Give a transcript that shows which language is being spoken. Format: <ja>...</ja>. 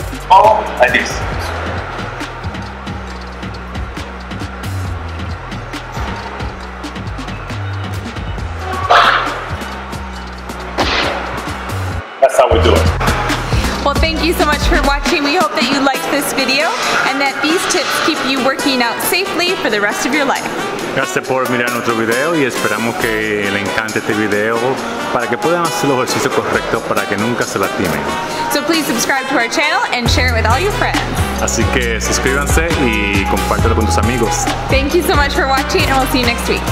<en>Oh, like this. That's how we do it. Well, thank you so much for watching. We hope that you liked this video and that these tips keep you working out safely for the rest of your life.</en> <es>Gracias por mirar nuestro video y esperamos que le encante este video para que puedan hacer los ejercicios correctos para que nunca se lastimen.</es> <en>So please subscribe to our channel and share it with all your friends.</en> <es>Así que suscríbanse y compártelo con tus amigos.</es> <en>Thank you so much for watching and we'll see you next week.</en>